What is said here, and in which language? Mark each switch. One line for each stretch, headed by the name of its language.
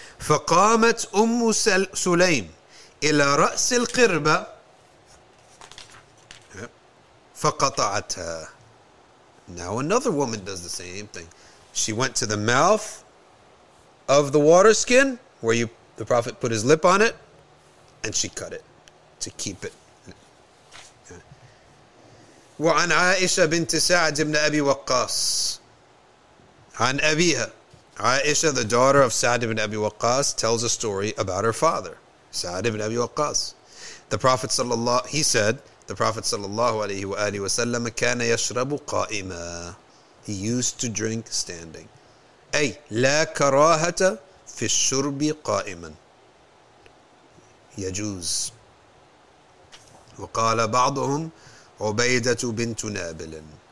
Arabic: فَقَامَتْ أُمُّ سُلَيْمٍ إِلَى رَأْسِ الْقِرْبَةِ فَقَطَعَتْهَا.
English: Now another woman does the same thing. She went to the mouth of the water skin where you... the Prophet put his lip on it and she cut it to keep it.
Arabic: وعن عائشة بنت سعد بن أبي وقاص عن أبيها.
English: Aisha, the daughter of Sa'd ibn Abi Waqqas, tells a story about her father, Sa'd ibn Abi Waqqas. The Prophet
Arabic: sallallahu alayhi wa alihi wa sallam كان يشرب قائما.
English: He used to drink standing.
Arabic: أي لا كراهة في الشرب قائما. يجوز. وقال بعضهم عبيدة بنت نابل.